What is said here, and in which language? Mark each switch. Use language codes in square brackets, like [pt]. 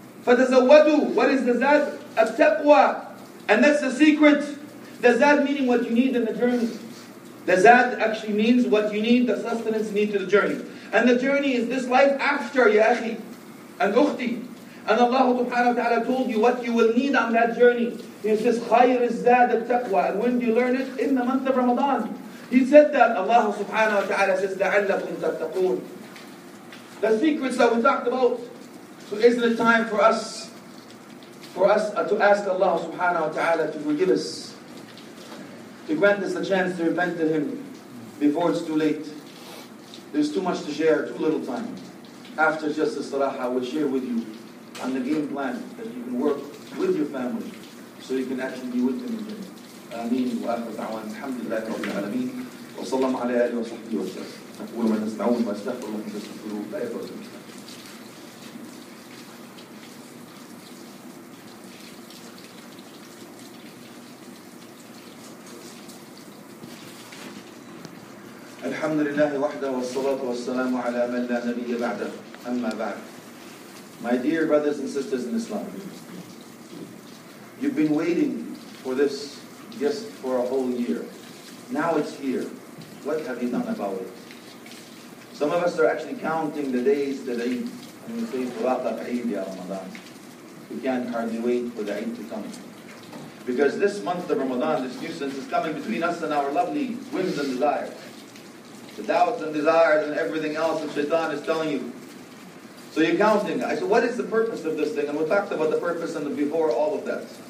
[ar] فَتَزَوَّدُوا. [en] What is the zad? التَّقْوَى. And that's the secret. The zad meaning what you need in the journey. The zad actually means what you need, the sustenance you need to the journey. And the journey is this life after, ya akhi and ukhti. And Allah subhanahu wa ta'ala told you what you will need on that journey. He says, [ar] خَيْرِ الزَّادَ التَّقْوَى. [en] And when do you learn it? In the month of Ramadan. He said that Allah subhanahu wa ta'ala says, [ar] لَعَلَّكُمْ تَتَّقُونَ. [en] The secrets that we talked about. So isn't it time for us to ask Allah subhanahu wa ta'ala to forgive us, to grant us the chance to repent to Him before it's too late? There's too much to share, too little time. After just the salaha, I will share with you on the game plan that you can work with your family so you can actually be with them again. [ar] Ameen wa akhir da'wan. Alhamdulillah rabbil alameen. Wa sallam ala alihi wa sahbihi wa sallam. Wa nasta'un wa astaghfirullah wa astaghfirullah. الحمد لله وحده والصلاة والسلام على من لا نبي بعده أما بعد. [en] My dear brothers and sisters in Islam, you've been waiting for this just for a whole year. Now it's here. What have you done about it? Some of us are actually counting the days to the Eid. And we say, [ar] تراقب عيد يا رمضان. [en] We can't hardly wait for the Eid to come. Because this month of Ramadan, this nuisance is coming between us and our lovely whims and desires. The doubts and desires and everything else that Shaitan is telling you. So you're counting. I said, what is the purpose of this thing? And we talked about the purpose and the before all of that.